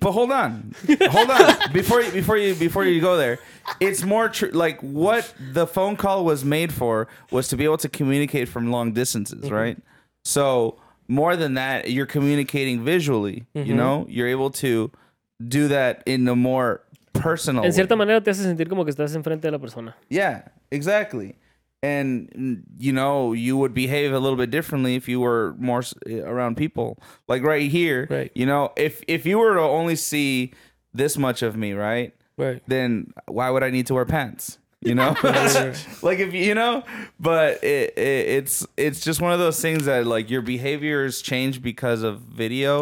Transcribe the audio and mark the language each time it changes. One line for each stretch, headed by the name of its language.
English: But hold on, hold on. Before you go there, it's more true. Like what the phone call was made for was to be able to communicate from long distances, mm-hmm. right? So more than that, you're communicating visually. Mm-hmm. You know, you're able to do that in a more personal.
Spanish: En cierta manera, te hace sentir como que estás enfrente de la persona.
English: Yeah, exactly. And, you know, you would behave a little bit differently if you were more around people. Like right here, right. you know, if you were to only see this much of me, right? Right. Then why would I need to wear pants? You know? Like if, you know, but it's just one of those things that like your behaviors change because of video.